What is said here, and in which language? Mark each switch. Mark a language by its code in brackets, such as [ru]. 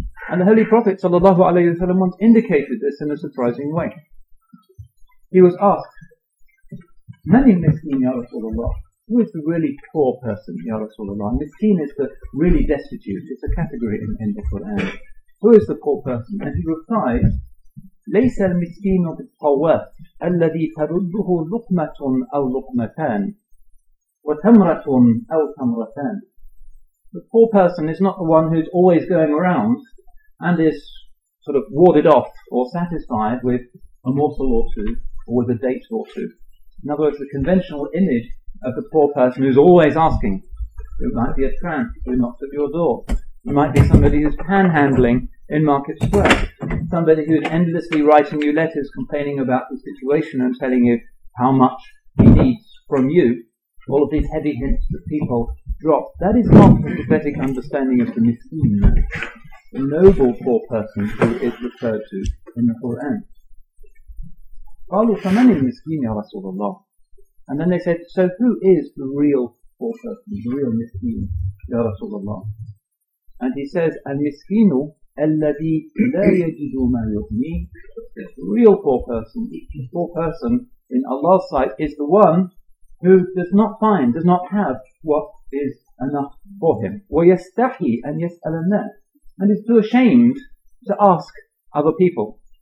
[en] And the Holy Prophet sallallahu alayhi wa sallam once indicated this in a surprising way. He was asked, many miskeen [ar] ya Rasulullah, [en] who is the really poor person ya Rasulullah? Miskeen is the really destitute, it's a category in the Quran. Who is the poor person? And he replied, [ar] لَيْسَ الْمِسْكِينُ بِالْقَوَّةِ أَلَّذِي تَرُدُّهُ لُقْمَةٌ أَوْ لُقْمَتَانِ وَتَمْرَةٌ أَوْ تَمْرَتَانِ. [en] The poor person is not the one who's always going around and is sort of warded off or satisfied with a morsel or two or with a date or two. In other words, the conventional image of the poor person who's always asking. It might be a tramp who knocks at your door. It might be somebody who's panhandling in Market Square. Somebody who's endlessly writing you letters complaining about the situation and telling you how much he needs from you. All of these heavy hints that people drop. That is not the prophetic understanding of the miskeen, the noble poor person who is referred to in the Quran. [ar] قَالُوا فَمَنِ الْمِسْكِينِ يَا رَسُولَ اللَّهِ. [en] And then they said, so who is the real poor person, the real miskeen, [ar] يَا رَسُولَ اللَّهِ. [en] And he says, [ar] الْمِسْكِينُ الَّذِي لَا يَجِدُ مَا يُغْنِي. [en] The real poor person, the poor person in Allah's sight, is the one who does not find, does not have what is enough for him. [ar] وَيَسْتَحِي أَنْ يَسْأَلَ النَّاسِ. [en] And is too ashamed to ask other people.